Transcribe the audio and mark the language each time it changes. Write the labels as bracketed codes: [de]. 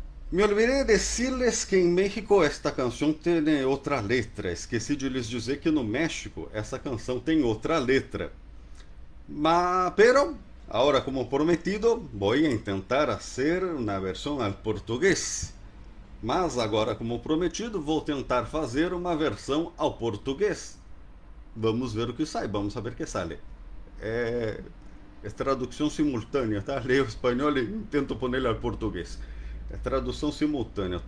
[es] Me olvidé decirles que em México esta canción tiene otra letra. [pt] Esqueci de lhes dizer que no México essa canção tem outra letra. [es] Pero, ahora como prometido, voy a intentar hacer una versión al portugués. [pt] Mas agora como prometido, vou tentar fazer uma versão ao português. Vamos ver o que sai, vamos saber [es] que sale. [pt] É tradução simultânea, tá? Leio espanhol e tento pôr ele ao português. É tradução simultânea.